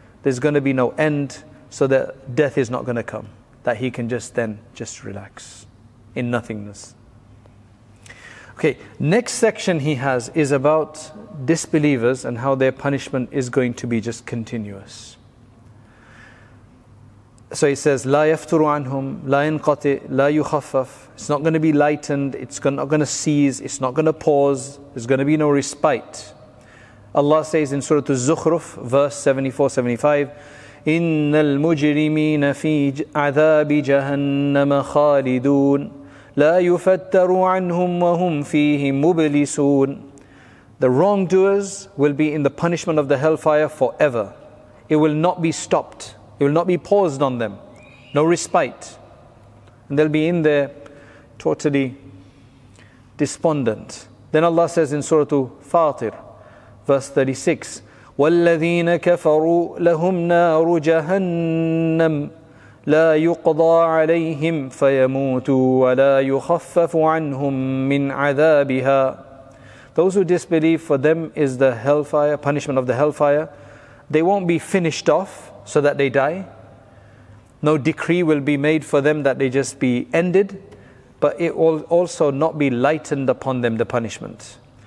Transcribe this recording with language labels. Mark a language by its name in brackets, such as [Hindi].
[English] There's going to be no end, so that death is not going to come. That he can just then just relax in nothingness. Okay, next section he has is about disbelievers and how their punishment is going to be just continuous. So he says, [Arabic] لا يفتر عنهم, لا ينقطع, لا يخفف. [English] It's not going to be lightened, it's not going to cease, it's not going to pause, there's going to be no respite. Allah says in Surah Az-Zukhruf, verse 74-75, [Arabic] إِنَّ الْمُجْرِمِينَ فِي عَذَابِ جَهَنَّمَ خَالِدُونَ لَا يُفَتَّرُ عَنْهُمْ وَهُمْ فِيهِ مُبْلِسُونَ. [English] The wrongdoers will be in the punishment of the hellfire forever. It will not be stopped. It will not be paused on them. No respite. And they'll be in there totally despondent. Then Allah says in Surah Fatir, verse 36, [Arabic] وَالَّذِينَ كَفَرُوا لَهُمْ نَارُ جَهَنَّمْ لَا يُقْضَى عَلَيْهِمْ فَيَمُوتُوا وَلَا يُخَفَّفُ عَنْهُمْ مِنْ عَذَابِهَا. [English] Those who disbelieve, for them is the hellfire, punishment of the hellfire. They won't be finished off so that they die. No decree will be made for them that they just be ended. But it will also not be lightened upon them, the punishment.